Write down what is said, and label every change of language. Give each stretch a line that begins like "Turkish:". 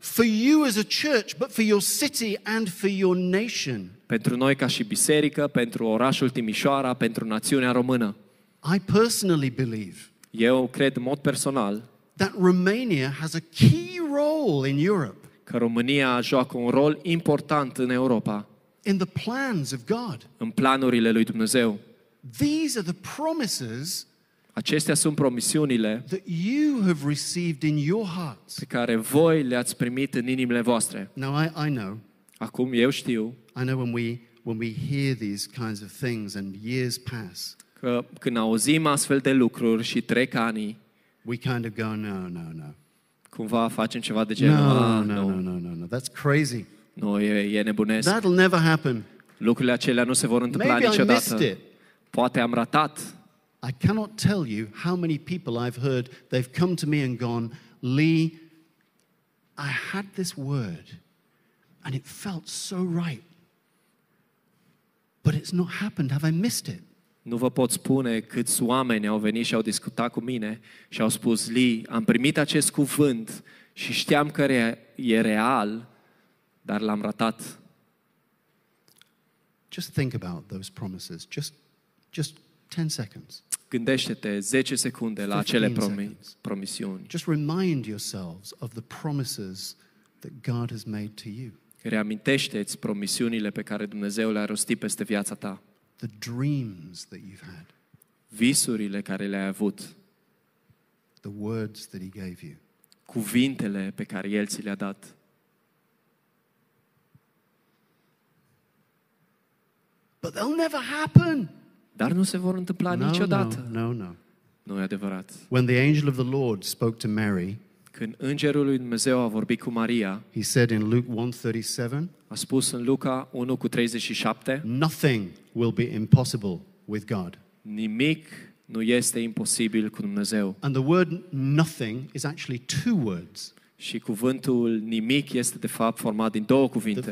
English: For you as a church, but for your city and for your nation.
Romanian: Pentru noi ca și biserică, pentru orașul Timișoara, pentru națiunea română.
English: I personally believe.
Romanian: Eu cred în mod personal.
English: That Romania has a key role in Europe.
Romanian: Că România joacă un rol important în Europa.
English: In the plans of God.
Romanian: În planurile lui Dumnezeu.
English: These are the promises.
Romanian: Acestea sunt promisiunile.
English: That you have received in your hearts.
Romanian: Pe care voi le-ați primit în inimile voastre.
English: Now I know.
Romanian: Acum eu știu.
English: I know when we hear these kinds of things and years pass.
Romanian: Că când auzim astfel de lucruri și trec ani.
English: We kind of go no no no.
Romanian: Cumva facem ceva de genul.
English: No. That's crazy.
Romanian: No, e nebunesc.
English: That'll never happen.
Romanian: Lucrurile acelea nu se vor întâmpla niciodată.
English: Maybe I missed it.
Romanian: Poate am ratat.
English: I cannot tell you how many people I've heard they've come to me and gone, "Lee, I had this word and it felt so right. But it's not happened. Have I missed it?"
Romanian: Nu vă pot spune câți oameni au venit și au discutat cu mine și au spus, Lee, am primit acest cuvânt și știam că e real, dar l-am ratat.
English: Just think about those promises. Just 10 seconds.
Romanian: Gândește-te 10 secunde la acele promisiuni.
English: Just remind yourselves of the promises that God has made to you.
Romanian: Reamintește-ți promisiunile pe care Dumnezeu le-a rostit peste viața ta.
English: The dreams that you've had.
Romanian: Visurile care le-ai avut.
English: The words that he gave you.
Romanian: Cuvintele pe care el ți le-a dat.
English: But they'll never happen.
Romanian: Dar nu se vor întâmpla niciodată.
English: No.
Romanian: Nu e adevărat.
English: When the angel of the Lord spoke to Mary,
Romanian: când îngerul lui Dumnezeu a vorbit cu Maria,
English: he said in Luke 1:37,
Romanian: a spus în Luca 1:37,
English: nothing will be impossible with God.
Romanian: Nimic nu este imposibil cu Dumnezeu.
English: And the word nothing is actually two words.
Romanian: Și cuvântul nimic este de fapt format din două cuvinte.